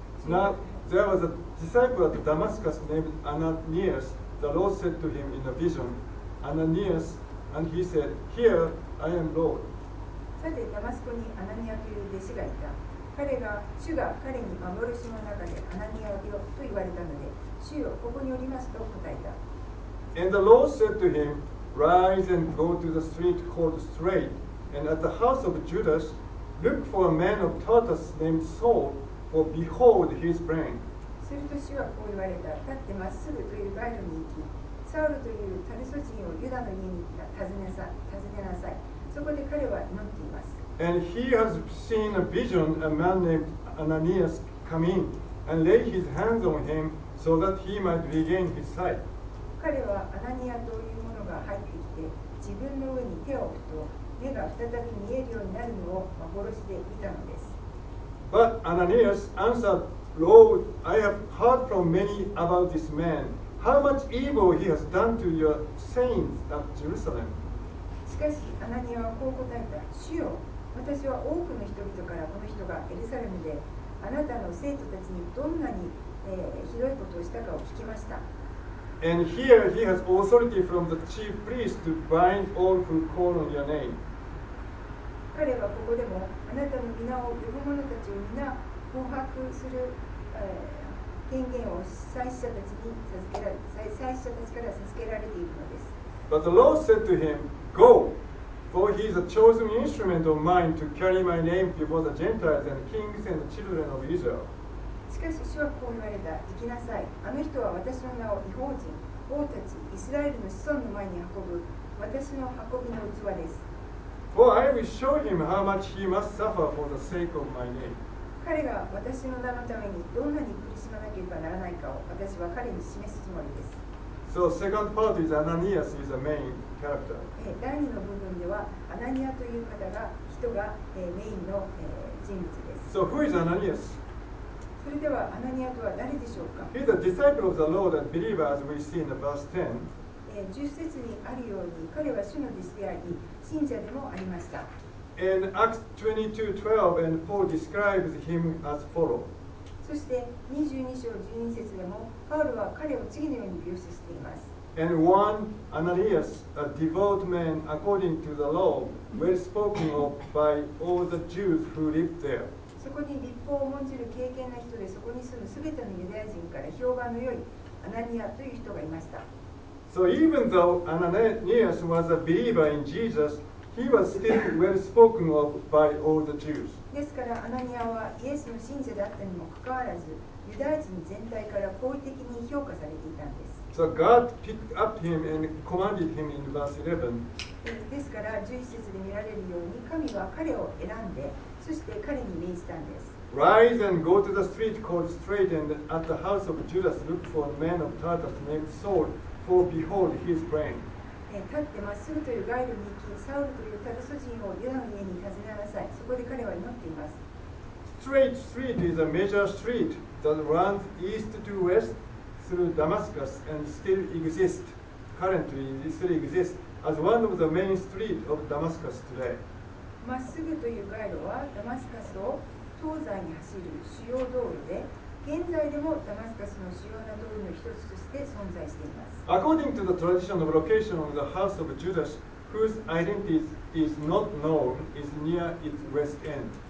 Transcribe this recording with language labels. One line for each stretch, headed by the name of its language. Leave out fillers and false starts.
English: Now, there was a disciple at Damascus named Ananias. The Lord said to him in a vision, Ananias, and he said, Here I am, Lord.
Japanese: さて、ダマスコにアナニアという弟子がいた。彼が、主が彼に幻の中でアナニアよと言われたので、主よ、ここにおりますと答えた。
English: And the Lord said to him, Rise and go to the street called Straight, and at the house of Judas, look for a man of Tarsus named Saul, for behold, he is praying.
Japanese: すると主はこう言われた。立ってまっすぐというガイドに行き、サウルというタルソ人をユダの家に訪ねなさい。そこで彼は祈っています。
English: And he has seen a vision, a man named Ananias come in, and lay his hands on him, so that he might regain his sight.
Japanese: 彼はアナニアというものが入ってきて自分の上に手を置くと目が再び見えるようになるのを幻で見たのです。
English: But Ananias answered, Lord, I have heard from many about this man, how much evil he has done to your saints at Jerusalem.
Japanese: しかしアナニアはこう答えた。主よ、私は多くの人々からこの人がエルサレムであなたの生徒たちにどんなに、ひどいことをしたかを聞きました。
English: And here he has authority from the chief priest to bind all who call on your name.
Japanese: 彼はここでもあなたの皆を呼ぶ者たちを皆捕獲する権限を祭司者たちから授けられているのです。
English: But the Lord said to him, Go, for he is a chosen instrument of mine to carry my name before the Gentiles and kings and the children of Israel.
Japanese: しかし主はこう言われた。行きなさい。あの人は私の名を異邦人、王たち、イスラエルの子孫の前に運ぶ私の運びの器です。
English: For I will show him how much he must suffer for the sake of my name.
Japanese: 彼が私の名のためにどんなに苦しまなければならないかを私は彼に示すつもりです。
English: So second part is Ananias is the main character.
Japanese: 第二の部分ではアナニアという方が人がメインの人物です。
English: So who is Ananias?
Japanese: それではアナニアとは誰でしょうか。
English: He's the disciple of the Lord and believer as we see in the verse 10.
Japanese: 十節にあるように彼は主の弟子であり信者でもありました。
English: In Acts 22:12 and Paul describes him as follow.
Japanese: そして22章12節でもパウロは彼を次のように描写しています。
English: And one Ananias, a devout man according to the law, well spoken of by all the Jews who lived there.
Japanese: そこに律法を重んじる敬虔な人で、そこに住むすべてのユダヤ人から評判の良いアナニアという人がいました。
English: So even though Ananias was a believer in Jesus, he was still well spoken of by all the Jews.
Japanese: ですからアナニアはイエスの信者だったにもかかわらず、ユダヤ人全体から好意的に評価されていたんです。
English: So God picked up him and commanded him in verse 11.
Japanese: ですから11節で見られるように神は彼を選んで、そして彼に命じたんです。
English: Rise and go to the street called Straight and at the house of Judas look for a man of Tarsus named Saul, for behold, he is praying.
Japanese: 立ってまっすぐという街路に行き、サウルというタルソ人をユダの家に訪ねなさい。そこで彼は祈っています。
English: Straight Street is a major street that runs east to west. Through Damascus and still exists. Currently, it still exists as one of the main streets of Damascus today.
Japanese: まっすぐという街路はダマスカスを東西に走る主要道路で、現在でもダマスカスの主要な道路の一つとして存在しています。
English: According to the tradition of location of the house of Judas, whose identity is not known, is near its west end.